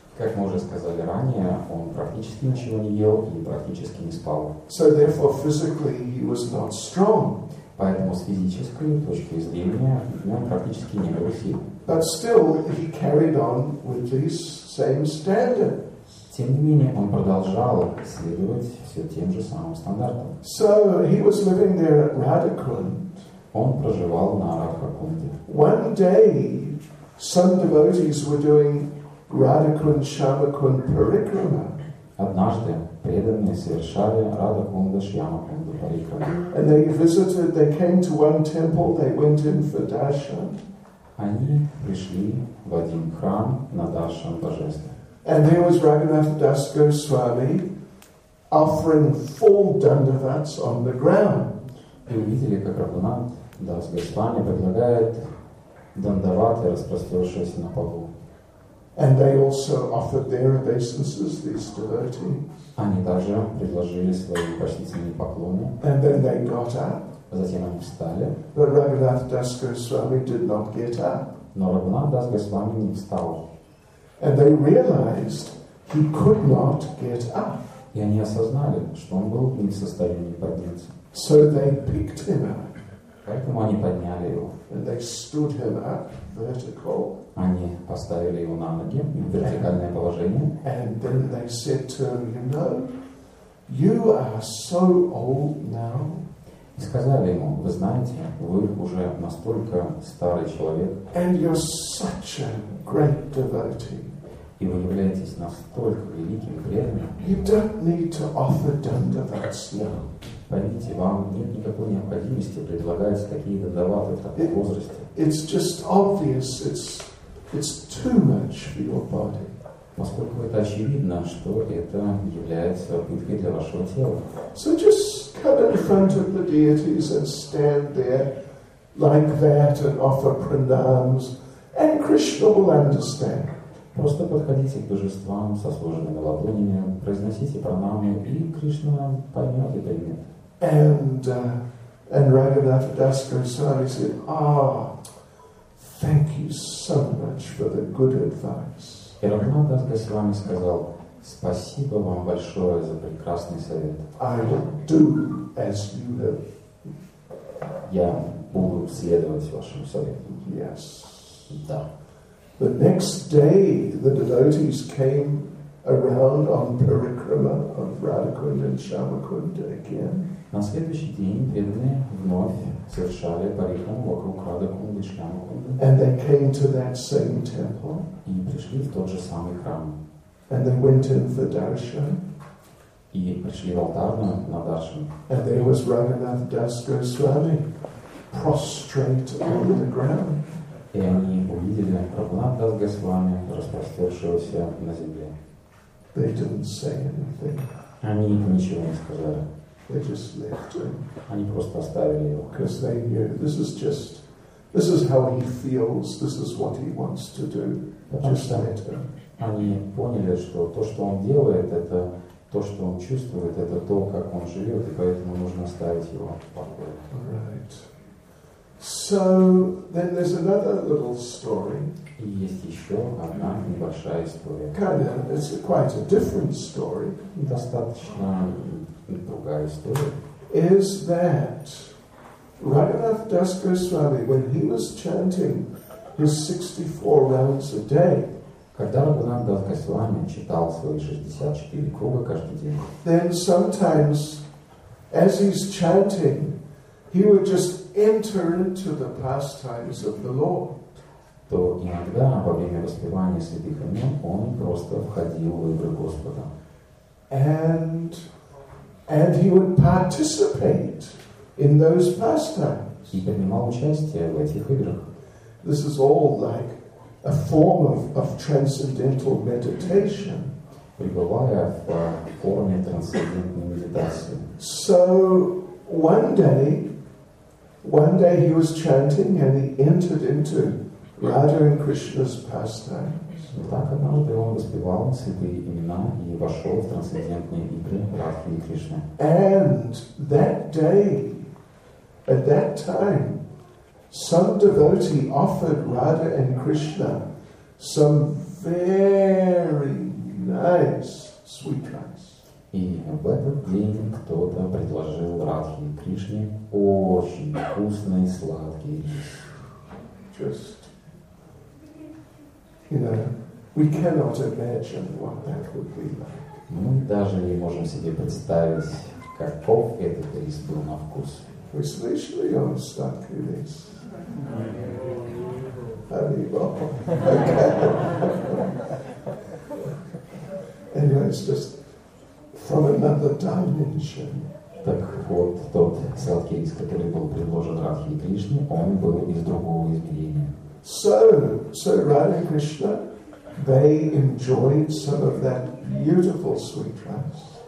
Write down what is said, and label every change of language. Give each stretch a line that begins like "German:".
Russian: Как мы уже сказали ранее, он практически ничего не ел и практически не спал.
English: So therefore, physically, he was not strong.
Russian: Поэтому с физической точки зрения он практически не был сильным.
English: But still, he carried on with these same standards.
Russian: Тем не менее, он продолжал следовать все тем же самым стандартам.
English: So he was living there at Radhakund.
Russian: Он проживал на Радхакунде.
English: One day, some devotees were doing Radhakund Shyamakund Parikrama.
Russian: Однажды преданные совершали Радхакунда Шьямакунда Парикрама.
English: And they visited. They came to one temple. They went in for darshan.
Russian: Они пришли в один храм на даршан божества.
English: And there was Raghunath Das Goswami offering full dandavats on the ground.
Russian: И увидели, как Раганат Дас Госвами предлагает дандаваты, распростершиеся на полу.
English: And they also offered their obeisances, these devotees.
Russian: Они также предложили свои почтительные поклоны.
English: And then they got up.
Russian: Затем они встали.
English: But Raghunath Das Goswami did not get up.
Russian: Но Раганат Дас Госвами не встал.
English: And they realized he could not get up.
Russian: И они осознали, что он был не в состоянии подняться.
English: So they picked him up.
Russian: Поэтому они подняли его.
English: And they stood him up vertical.
Russian: Они поставили его на ноги в вертикальное положение.
English: And then they said to him, you know, you are so old now.
Russian: И сказали ему, вы знаете, вы уже настолько старый человек.
English: And you're such a great devotee.
Russian: И вы являетесь настолько великим преданным.
English: You don't need to offer dandavats now.
Russian: Поймите, вам нет никакой необходимости предлагать такие дандаваты в таком возрасте.
English: It's just obvious, it's too much for your body.
Russian: Поскольку это очевидно, что это является пыткой для вашего тела.
English: So just come in front of the deities and stand there like that and offer pranams, and Krishna will understand.
Russian: Просто подходите к божествам со сложенными ладонями, произносите пранамы, и Кришна поймет это или нет.
English: And Raghunath Das Goswami said, thank you so much for the good advice.
Russian: И Раганатха Дас Госвами сказал, спасибо вам большое за прекрасный совет.
English: I will do as you have.
Russian: Я буду следовать вашему совету.
English: Yes.
Russian: Да.
English: The next day the devotees came around on parikrama of Radhakund and Shyamakund again.
Russian: На следующий день преданные вновь совершали парикраму вокруг Радхакунды и Шьямакунды.
English: And they came to that same temple.
Russian: И пришли в тот же самый храм.
English: And they went in for darshan.
Russian: И пришли в алтарную на даршан.
English: And there was Raghunath Das Goswami prostrate on the ground.
Russian: И они увидели Раганат Дас Госвами, распростершегося на земле.
English: They didn't say anything.
Russian: Они ничего не сказали.
English: They just left him.
Russian: Они просто оставили его.
English: Because they knew this is how he feels, this is what he wants to do. Just let him.
Russian: Они поняли, что то, что он делает, это то, что он чувствует, это то, как он живет, и поэтому нужно оставить его в покое.
English: Right. So then there's another little story.
Russian: И есть еще одна небольшая история.
English: Kind of, it's quite a different story.
Russian: Достаточно другая история.
English: is that Raghunath Das Goswami, when he was chanting his 64 rounds a day,
Russian: когда Раганат Дас Госвами читал свои 64 круга каждый день,
English: then sometimes, as he's chanting, he would just enter into the pastimes of the Lord.
Russian: То иногда во время воспевания святых имен он просто входил в игры Господа.
English: And he would participate in those pastimes.
Russian: И принимал участие в этих играх.
English: This is all like a form of transcendental meditation.
Russian: Пребывая в форме трансцендентной медитации.
English: So one day he was chanting and he entered into Radha and Krishna's pastimes.
Russian: Так однажды он воспевал святые имена и вошел в трансцендентные игры Радхи и Кришны.
English: And that day, at that time, some devotee offered Radha and Krishna some very nice sweet rice.
Russian: И в этот день кто-то предложил Радхе и Кришне очень вкусный сладкий рис.
English: Just, you know, we cannot imagine what that would be like.
Russian: Мы даже не можем себе представить, каков этот рис был на вкус.
English: Especially on sladkie rice. Very well. Anyway, it's just from another dimension.
Russian: Так вот, тот сладкий рис, который был предложен Радхе и Кришне, он был из другого измерения.
English: So Radha and Krishna, they enjoyed some of that beautiful sweet rice.